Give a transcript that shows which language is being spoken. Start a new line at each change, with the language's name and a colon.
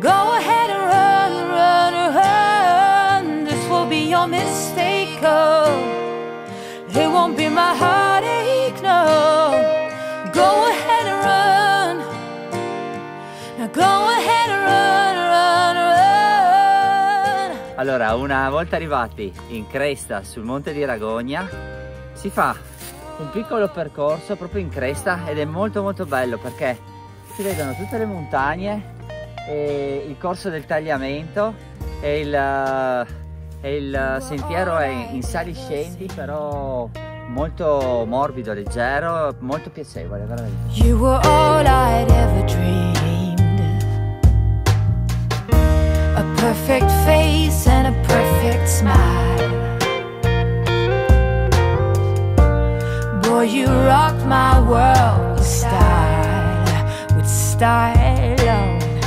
English: Go ahead and run, run, run. This will be your mistake, oh. It won't be my heartache, no. Go ahead and run. Now go ahead and run, run, run.
Italian: Allora, una volta arrivati in cresta sul monte di Ragogna, si fa un piccolo percorso proprio in cresta ed è molto molto bello perché si vedono tutte le montagne e il corso del Tagliamento e il sentiero è in sali scendi, però molto morbido, leggero, molto piacevole veramente.
English: You were all I'd ever dreamed. A perfect face and a perfect smile. Boy, you rock my world with style, with style. Oh.